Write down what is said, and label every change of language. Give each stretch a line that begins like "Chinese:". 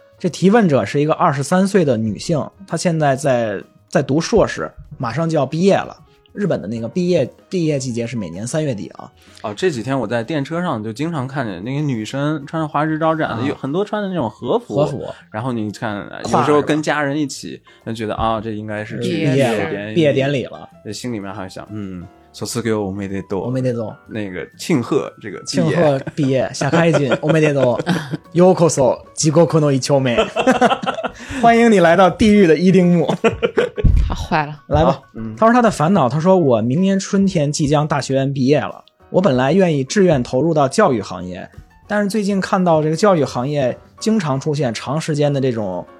Chinese: 这提问者是一个23岁的女性，她现在在读硕士，马上就要毕业了。日本的那个毕业季节是每年3月底啊。哦，这几天我在电车上就经常看见那个女生穿着花枝招展的，啊，有很多穿的那种和服。和服。然后你看，有时候跟家人一起，就觉得啊，哦，这应该是毕业典礼了。这心里面还想，嗯，
Japanese: 卒業おめでとう。おめでとう。
Chinese: 那个庆贺这个庆贺毕业，
Japanese: 社会人おめでとう。ようこそ地獄の一丁目。
Chinese: 欢迎你来到地狱的一丁目。坏了，来吧，嗯，他说他的烦恼，他说我明年春天即将大学院毕业了，我本来愿意志愿投入到教育行业，但是最近看到这个教育行业经常出现长时间的这种